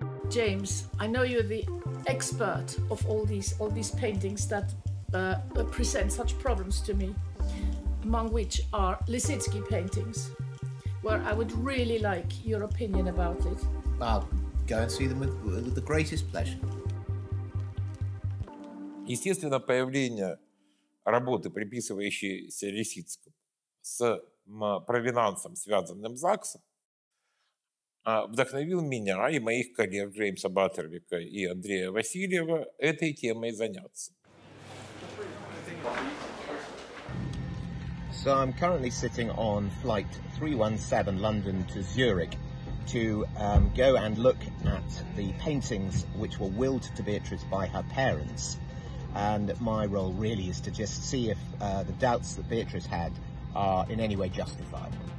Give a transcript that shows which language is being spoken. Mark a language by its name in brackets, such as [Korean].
[English] James, I know you're the expert of all these paintings that present such problems to me, among which are Lissitzky paintings, where I would really like your opinion about it. I'll go and see them with the greatest pleasure. [Russian] Естественно, появление работы, приписывающейся Лисицкому, с провенансом, связанным с ЗАГСом, вдохновил меня и моих коллег Джеймса Баттервика и Андрея Васильева этой темой заняться. [English] So I'm currently sitting on flight 317 London to Zurich to go and look at the paintings which were willed to Beatrice by her parents. And my role really is to just see if the doubts that Beatrice had are in any way justified.